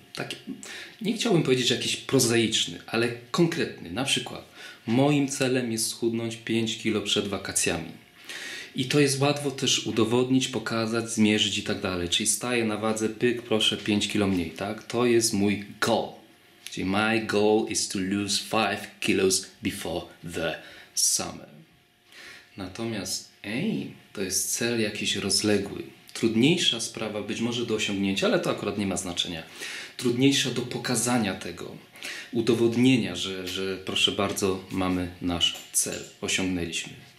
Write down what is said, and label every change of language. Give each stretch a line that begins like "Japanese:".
Polish: Taki, nie chciałbym powiedzieć jakiś prozaiczny, ale konkretny. Na przykład, moim celem jest schudnąć 5 kg przed wakacjami. I to jest łatwo też udowodnić, pokazać, zmierzyć i tak dalej. Czyli staję na wadze, pyk, proszę, 5 kilo mniej, tak? To jest mój goal. Czyli
English: my goal is to lose 5 kilos before the summer.
Polish: Natomiast aim to jest cel jakiś rozległy. Trudniejsza sprawa być może do osiągnięcia, ale to akurat nie ma znaczenia. Trudniejsza do pokazania tego, udowodnienia, że proszę bardzo, mamy nasz cel, osiągnęliśmy.